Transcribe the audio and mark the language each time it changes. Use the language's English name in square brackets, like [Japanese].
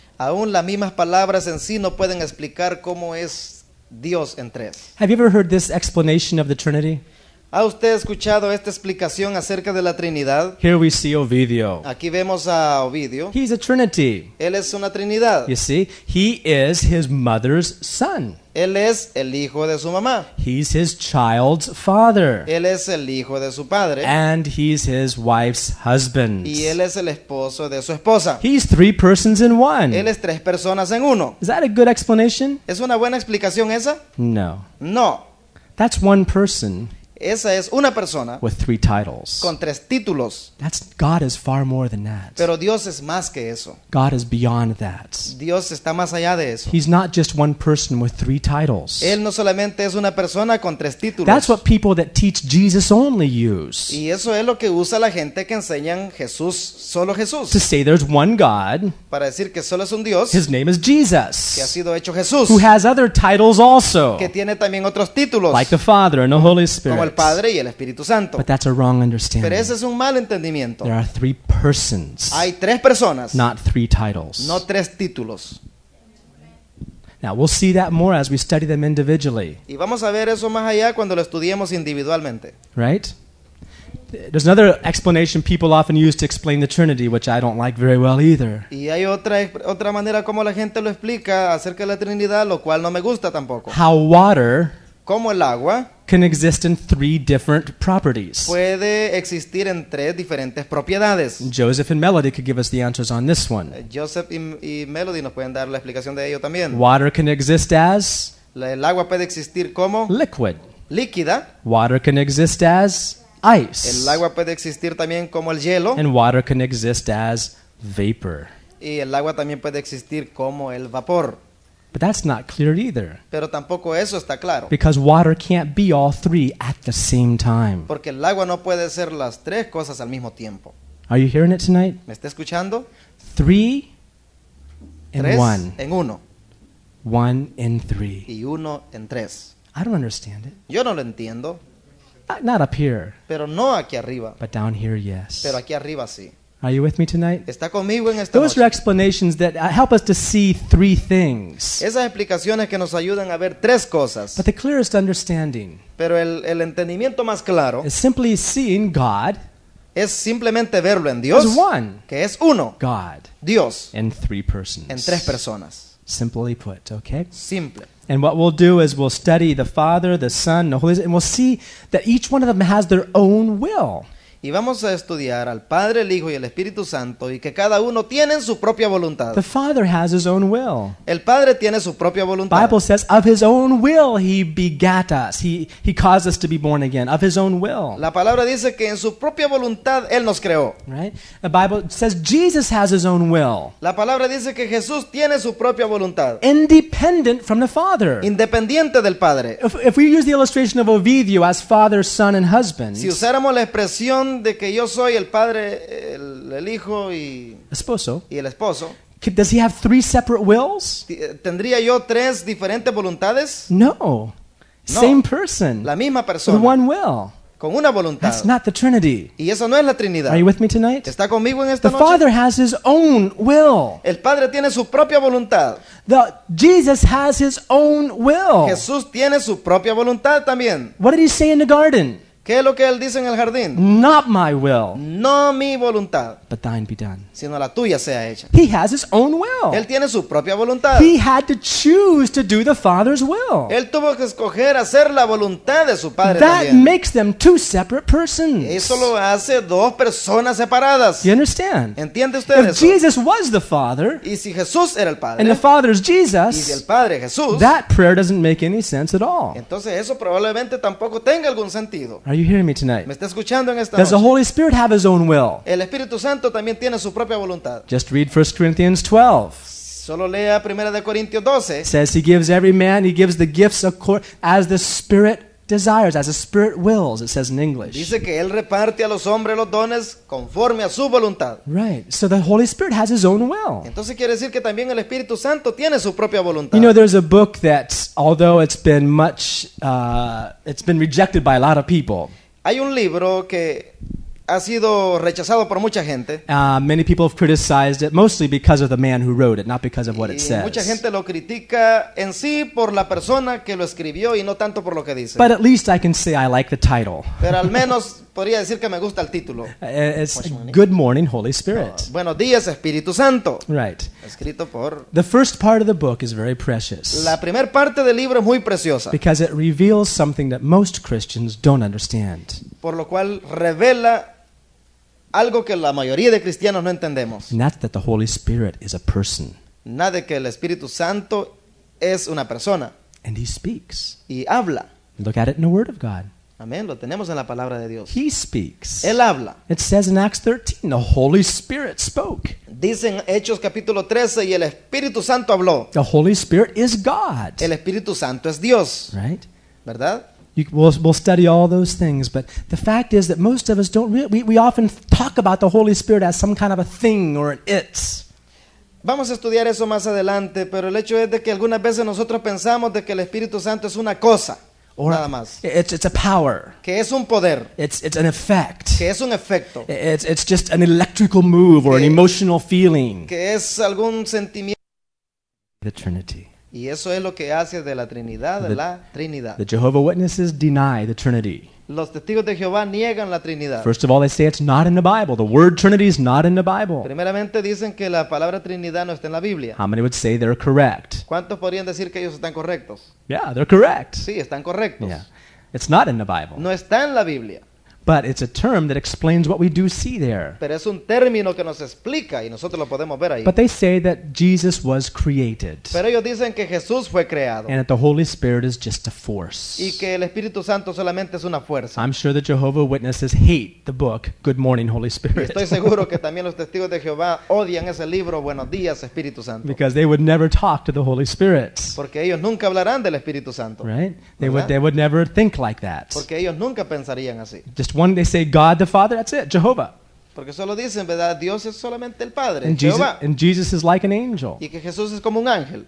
[Spanish] Aún las mismas palabras en sí no pueden explicar cómo es Dios en tres. [English] Have you ever heard this explanation of the Trinity? [Spanish] ¿Ha usted escuchado esta explicación acerca de la Trinidad? [English] Here we see Ovidio. [Spanish] Aquí vemos a Ovidio. [English] He's a Trinity. [Spanish] Él es una Trinidad. [English] You see, he is his mother's son. [Spanish] Él es el hijo de su mamá. [English] He's his child's father. [Spanish] Él es el hijo de su padre. [English] And he's his wife's husband. [Spanish] Y él es el esposo de su esposa. [English] He's three persons in one. [Spanish] Él es tres personas en uno. [English] Is that a good explanation? [Spanish] ¿Es una buena explicación esa? [English] No. [Spanish] No. [English] That's one person. [Spanish] Esa es una persona [English] with three titles. [Spanish] Con tres títulos. [English] That's, God is far more than that. [Spanish] Pero Dios es más que eso. [English] God is beyond that. [Spanish] Dios está más allá de eso. [English] He's not just one person with three titles. [Spanish] Él no solamente es una persona con tres títulos. [English] That's what people that teach Jesus only use. [Spanish] Y eso es lo que usa la gente que enseñan Jesús, solo Jesús. [English] To say there's one God. [Spanish] Para decir que solo es un Dios. [English] His name is Jesus. [Spanish] Que ha sido hecho Jesús. [English] Who has other titles also. [Spanish] Que tiene también otros títulos. [English] Like the Father and the Holy Spirit. [Spanish] El Padre y el Espíritu Santo. [English] But that's a wrong understanding. [Spanish] Pero ese es un mal entendimiento. [English] There are three persons. [Spanish] Hay tres personas. [English] Not three titles. [Spanish] No tres títulos. [English] Now we'll see that more as we study them individually. [Spanish] Y vamos a ver eso más allá cuando lo estudiemos individualmente. [English] Right? There's another explanation people often use to explain the Trinity, which I don't like very well either. [Spanish] Y hay otra manera como la gente lo explica acerca de la Trinidad, lo cual no me gusta tampoco. [English] How water. [Spanish] Como el agua. [English] Can exist in three different properties. [Spanish] Puede existir en tres diferentes propiedades. [English] Joseph and Melody could give us the answers on this one. [Spanish] Joseph y Melody nos pueden dar la explicación de ello también. [English] Water can exist as. [Spanish] El agua puede existir como. [English] Liquid. [Spanish] Líquida. [English] Water can exist as ice. [Spanish] El agua puede existir también como el hielo. [English] And water can exist as vapor. [Spanish] Y el agua también puede existir como el vapor. [English] But that's not clear either. [Spanish] Pero tampoco eso está claro. [English] Because water can't be all three at the same time. [Spanish] Porque el agua no puede ser las tres cosas al mismo tiempo. [English] Are you hearing it tonight? [Spanish] ¿Me está escuchando? [English] Three and [Spanish] tres [English] one. [Spanish] En uno. [English] One and three. [Spanish] Y uno en tres. [English] I don't understand it. [Spanish] Yo no lo entiendo. [English] Not up here. [Spanish] Pero no aquí arriba. [English] But down here, yes. [Spanish] Pero aquí arriba, sí. [English] Are you with me tonight? [Spanish] ¿Está conmigo en esta [English] Those Are explanations that help us to see three things. [Spanish] Esas explicaciones que nos ayudan a ver tres cosas. [English] But the clearest understanding. [Spanish] Pero el entendimiento más claro. [English] Is simply seeing God. [Spanish] Es simplemente verlo en Dios. [English] As one. [Spanish] Que es uno. [English] God. [Spanish] Dios. [English] In three persons. [Spanish] En tres personas. [English] Simply put, okay? [Spanish] Simple. [English] And what we'll do is we'll study the Father, the Son, the Holy Spirit, and we'll see that each one of them has their own will. [Spanish] Y vamos a estudiar al Padre, el Hijo y el Espíritu Santo y que cada uno tiene su propia voluntad. [English] The Father has his own will. [Spanish] El Padre tiene su propia voluntad. [English] The Bible says, of his own will he begat us. He caused us to be born again. Of his own will. [Spanish] La palabra dice que en su propia voluntad él nos creó. [English] Right? The Bible says Jesus has his own will. [Spanish] La palabra dice que Jesús tiene su propia voluntad. [English] Independent from the Father. [Spanish] Independiente del Padre. [English] If we use the illustration of Ovidio as father, son and husband. [Spanish] Si usáramos la expresión de que yo soy el padre, el hijo y esposo. Y el esposo. [English] Does he have three separate wills? [Spanish] ¿Tendría yo tres diferentes voluntades? [English] No. Same person. [Spanish] La misma persona. [English] With one will. [Spanish] Con una voluntad. [English] That's not the Trinity. [Spanish] Y eso no es la Trinidad. [English] Are you with me tonight? [Spanish] ¿Está conmigo en esta [English] the [Spanish] noche? [English] The Father has his own will. [Spanish] El Padre tiene su propia voluntad. [English] Jesus has his own will. [Spanish] Jesús tiene su propia voluntad también. [English] What did he say in the garden? [Spanish] ¿Qué es lo que él dice en el jardín? [English] Not my will. [Spanish] No mi voluntad. [English] But thine be done. [Spanish] Sino la tuya sea hecha. [English] He has his own will. [Spanish] Él tiene su propia voluntad. [English] He had to choose to do the Father's will. [Spanish] Él tuvo que escoger hacer la voluntad de su padre. [English] That [Spanish] también [English] makes them two separate persons. [Spanish] Eso lo hace dos personas separadas. [English] You understand? [Spanish] ¿Entiende usted [English] if [Spanish] eso? [English] Jesus was the Father. [Spanish] Y si Jesús era el padre. [English] And the Father is Jesus. [Spanish] Y si el padre Jesús. [English] That prayer doesn't make any sense at all. [Spanish] Entonces eso probablemente tampoco tenga algún sentido. [English] Are you hearing me tonight? [Spanish] Me está escuchando en esta noche. [English] Does the Holy Spirit have his own will? [Spanish] El Espíritu Santo también tiene su propia voluntad. [English] Just read 1 Corinthians 12. [Spanish] Solo lea 1 de Corintios 12. [English] It says he gives every man, he gives the gifts as the Spirit desires, as the Spirit wills, it says in English. [Spanish] Dice que él reparte a los hombres los dones conforme a su voluntad. [English] Right. So the Holy Spirit has his own will. [Spanish] Entonces quiere decir que también el Espíritu Santo tiene su propia voluntad. [English] You know, there's a book that, although it's been much, it's been rejected by a lot of people. [Spanish] Hay un libro que ha sido rechazado por mucha gente. [English] Many people have criticized it, mostly because of the man who wrote it, not because of what it says. [Spanish] Mucha gente lo critica en sí por la persona que lo escribió y no tanto por lo que dice. [English] But at least I can say I like the title. [Spanish] Pero al menos podría decir que me gusta el título. [English] It's Good Morning, Holy Spirit. [Spanish] Buenos días, Espíritu Santo. [English] Right. [Spanish] Escrito por. [English] The first part of the book is very precious. [Spanish] La primera parte del libro es muy preciosa. [English] Because it reveals something that most Christians don't understand. [Spanish] Por lo cual revela algo que la mayoría de cristianos no entendemos. [English] Not that the Holy Spirit is a person. [Spanish] Nada de que el Espíritu Santo es una persona. [English] And he speaks. [Spanish] Y habla. [English] Look at it in the Word of God. [Spanish] Amén. Lo tenemos en la palabra de Dios. [English] He speaks. [Spanish] Él habla. [English] It says in Acts 13, the Holy Spirit spoke. [Spanish] Dicen Hechos capítulo 13 y el Espíritu Santo habló. [English] The Holy Spirit is God. [Spanish] El Espíritu Santo es Dios. [English] Right? [Spanish] ¿Verdad? [English] We'll study all those things, but the fact is that most of us don't really, we often talk about the Holy Spirit as some kind of a thing or an it. [Spanish] Vamos a estudiar eso más adelante, pero el hecho es de que algunas veces nosotros pensamos de que el Espíritu Santo es una cosa, [English] or [Spanish] nada más. [English] It's a power. [Spanish] Que es un poder. [English] It's an effect. [Spanish] Que es un efecto. [English] It's just an electrical move or an emotional feeling. [Spanish] Que es algún sentimiento. [English] The Trinity. [Spanish] Y eso es lo que hace de la Trinidad, de la Trinidad. [English] The Jehovah Witnesses deny the Trinity. [Spanish] Los testigos de Jehová niegan la Trinidad. [English] First of all, they say it's not in the Bible. The word Trinity is not in the Bible. [Spanish] Primeramente dicen que la palabra Trinidad no está en la Biblia. [English] How many would say they're correct? [Spanish] ¿Cuántos podrían decir que ellos están correctos? [English] Yeah, they're correct. [Spanish] Sí, están correctos. [English] Yeah. It's not in the Bible. [Spanish] No está en la Biblia. [English] But it's a term that explains what we do see there. [Spanish] Pero es un término que nos explica y nosotros lo podemos ver ahí. [English] But they say that Jesus was created. [Spanish] Pero ellos dicen que Jesús fue creado. [English] And that the Holy Spirit is just a force. [Spanish] Y que el Espíritu Santo solamente es una fuerza. [English] I'm sure the Jehovah Witnesses hate the book Good Morning, Holy Spirit. [Spanish] Y estoy seguro que también los testigos de Jehová odian ese libro Buenos días, Espíritu Santo. [English] Because they would never talk to the Holy Spirit. [Spanish] Porque ellos nunca hablarán del Espíritu Santo. [English] Right? They would never think like that. [Spanish] Porque ellos nunca pensarían así. [English] Just one, they say God the Father, that's it, Jehovah. [Spanish] Porque solo dicen, ¿verdad? Dios es solamente el Padre, [English] and [Spanish] Jehovah. [English] Jesus is like an angel. [Spanish] Y que Jesús es como un ángel.